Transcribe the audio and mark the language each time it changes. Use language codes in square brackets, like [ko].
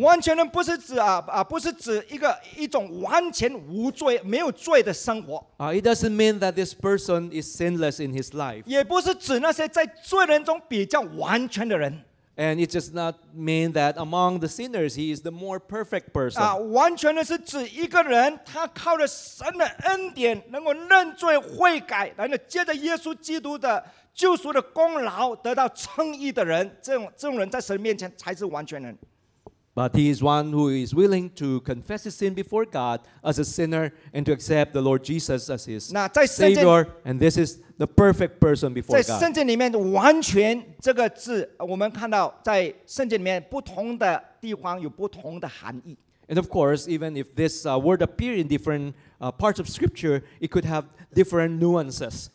[zh] 完全人不是指一种完全无罪、没有罪的生活。 [en] It doesn't mean that this person is sinless in his life. [zh] 也不是指那些在罪人中比较完全的人。 [en] And it does not mean that among the sinners, he is the more perfect person. [zh] 完全的是指一个人，他靠着神的恩典，能够认罪悔改，然后借着耶稣基督的救赎的功劳得到称义的人，这种人在神面前才是完全人。 [en] But he is one who is willing to confess his sin before God as a sinner and to accept the Lord Jesus as his Savior. And this is the perfect person before God. [zh] 在圣经里面，完全这个字，我们看到在圣经里面不同的地方有不同的含义。 [en] And of course, even if this word appeared in different parts of Scripture, it could have different nuances.